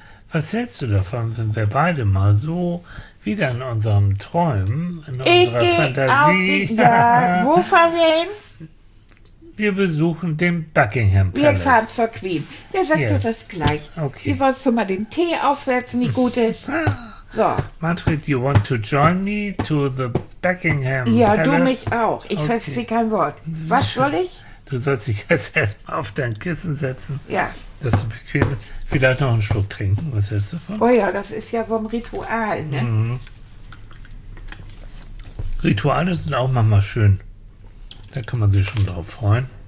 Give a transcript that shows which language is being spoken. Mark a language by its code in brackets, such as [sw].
[de] Was hältst du davon, wenn wir beide mal so wieder in unseren Träumen, in unserer Fantasie... Ja, wo fahren wir hin? Wir besuchen den Buckingham Palace. Wir fahren zur Queen. Der sagt dir das gleich. Okay. Wie sollst du mal den Tee aufwerfen, die Gute? So. [en] Manfred, you want to join me to the Buckingham Palace? [de] Ja, du mich auch. Ich verstehe kein Wort. Was soll ich? Du sollst dich jetzt erstmal auf dein Kissen setzen. Ja. Dass du bequem bist. Vielleicht noch einen Schluck trinken. Was hältst du davon? Oh ja, das ist ja so ein Ritual, ne? Rituale sind auch manchmal schön. Da kann man sich schon drauf freuen.